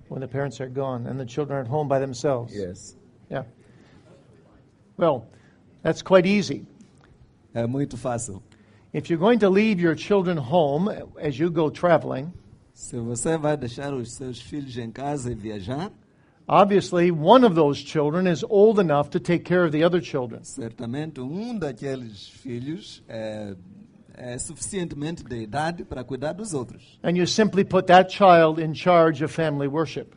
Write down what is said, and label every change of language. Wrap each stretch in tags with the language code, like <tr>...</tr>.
<en>When the parents are gone and the children are at home by themselves. Yes. Yeah. Well, that's quite easy.</en> <pt>É muito fácil.</pt> <en>If you're going to leave your children home as you go traveling,</en> <pt>se você vai deixar os seus filhos em casa e viajar,</pt> <en>obviously one of those children is old enough to take care of the other children.</en> <pt>Certamente daqueles filhos é suficientemente de idade para cuidar dos outros.</pt> <en>And you simply put that child in charge of family worship.</en>